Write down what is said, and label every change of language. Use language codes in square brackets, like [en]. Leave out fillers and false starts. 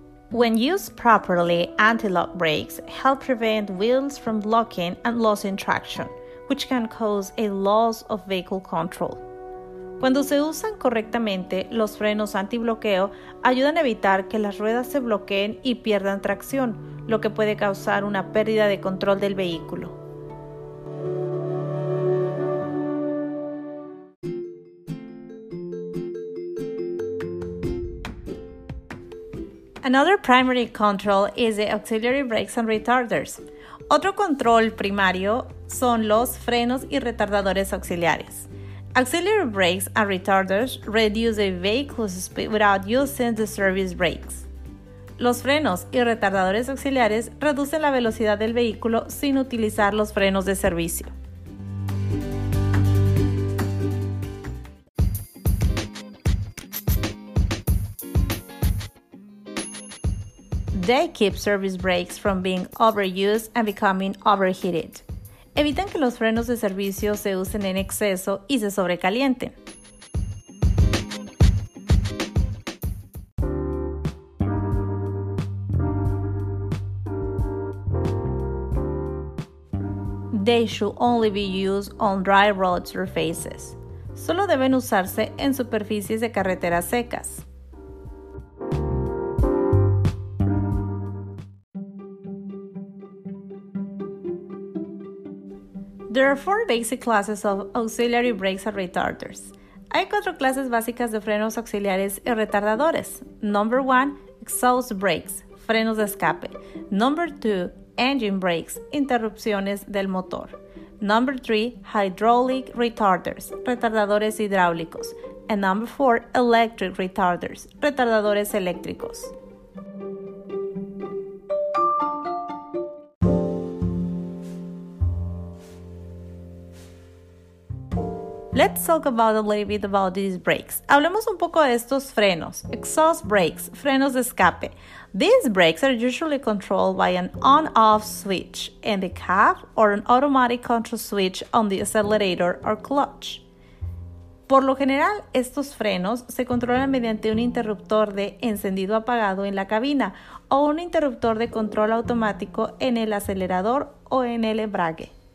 [en] When used properly, anti-lock brakes help prevent wheels from blocking and losing traction, which can cause a loss of vehicle control. [es] Cuando se usan correctamente, los frenos antibloqueo ayudan a evitar que las ruedas se bloqueen y pierdan tracción, lo que puede causar una pérdida de control del vehículo. [en] Another primary control is the auxiliary brakes and retarders. [es] Otro control primario son los frenos y retardadores auxiliares. [en] Auxiliary brakes and retarders reduce a vehicle's speed without using the service brakes. [es] Los frenos y retardadores auxiliares reducen la velocidad del vehículo sin utilizar los frenos de servicio. [en] They keep service brakes from being overused and becoming overheated. [es] Evitan que los frenos de servicio se usen en exceso y se sobrecalienten. [en] They should only be used on dry road surfaces. [es] Solo deben usarse en superficies de carreteras secas. [en] There are four basic classes of auxiliary brakes and retarders. [es] Hay cuatro clases básicas de frenos auxiliares y retardadores. [en] Number one, exhaust brakes, [es] frenos de escape. [en] Number two, engine brakes, [es] interrupciones del motor. [en] Number three, hydraulic retarders, [es] retardadores hidráulicos. [en] And number four, electric retarders, [es] retardadores eléctricos. [en] Let's talk about a little bit about these brakes. [es] Hablemos un poco de estos frenos. [en] Exhaust brakes, [es] frenos de escape. [en] These brakes are usually controlled by an on-off switch in the cab or an automatic control switch on the accelerator or clutch. [es] Por lo general, estos frenos se controlan mediante un interruptor de encendido apagado en la cabina o un interruptor de control automático en el acelerador o en el embrague.